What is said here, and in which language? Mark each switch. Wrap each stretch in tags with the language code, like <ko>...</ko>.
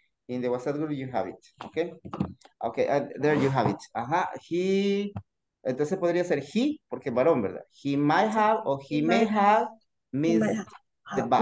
<en>In the WhatsApp group, you have it, okay? Okay, there you have it.</en> <es>Ajá, entonces podría ser he, porque varón, ¿verdad?</es> <en>He might have or he may have missed the bus.</en>